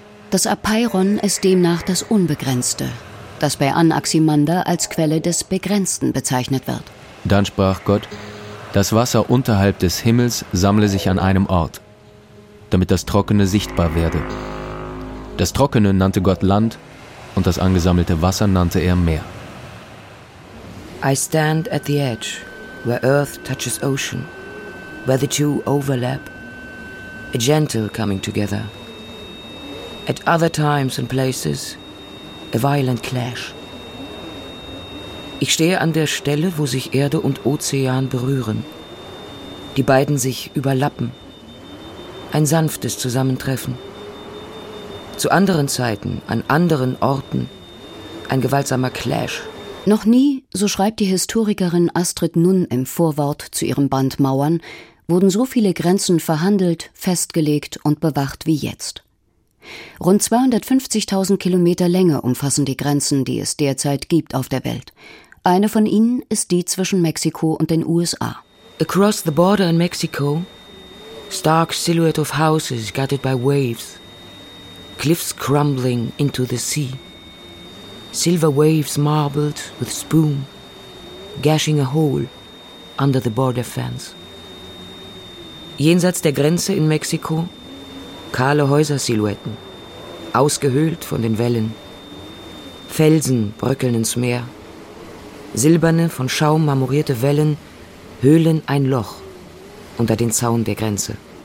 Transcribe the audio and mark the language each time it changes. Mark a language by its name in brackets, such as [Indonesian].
[German] Das Apeiron ist demnach das Unbegrenzte, das bei Anaximander als Quelle des Begrenzten bezeichnet wird. Dann sprach Gott, das Wasser unterhalb des Himmels sammle sich an einem Ort, damit das Trockene sichtbar werde. Das Trockene nannte Gott Land und das angesammelte Wasser nannte er Meer. [English] I stand at the edge, where earth touches ocean, where the two overlap, a gentle coming together. At other times and places, a violent clash. [German] Ich stehe an der Stelle, wo sich Erde und Ozean berühren. Die beiden sich überlappen. Ein sanftes Zusammentreffen. Zu anderen Zeiten, an anderen Orten, ein gewaltsamer Clash. Noch nie, so schreibt die Historikerin Astrid Nunn im Vorwort zu ihrem Band Mauern, wurden so viele Grenzen verhandelt, festgelegt und bewacht wie jetzt. Rund 250.000 Kilometer Länge umfassen die Grenzen, die es derzeit gibt auf der Welt. Eine von ihnen ist die zwischen Mexiko und den USA. [English] Across the border in Mexico, stark silhouette of houses gutted by waves, cliffs crumbling into the sea, silver waves marbled with spume, gashing a hole under the border fence. [German] Jenseits der Grenze in Mexiko, kahle Häusersilhouetten, ausgehöhlt von den Wellen. Felsen bröckeln ins Meer. Silberne, von Schaum marmorierte Wellen höhlen ein Loch unter den Zaun der Grenze.